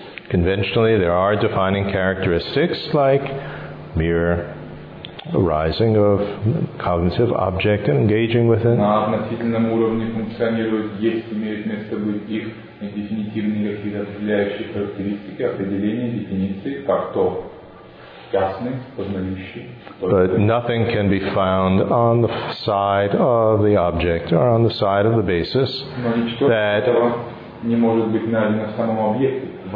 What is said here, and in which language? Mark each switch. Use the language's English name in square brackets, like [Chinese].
[English] Conventionally, there are defining characteristics, like mere arising of cognitive object and engaging with it. [Russian] На относительном уровне функционирует, есть, имеет место быть их дефинитивные какие-то определяющие характеристики, определения, дефиниции, как то ясные, познающие. [English] But nothing can be found on the side of the object or on the side of the basis that [Russian] не может быть найдено в самом объекте.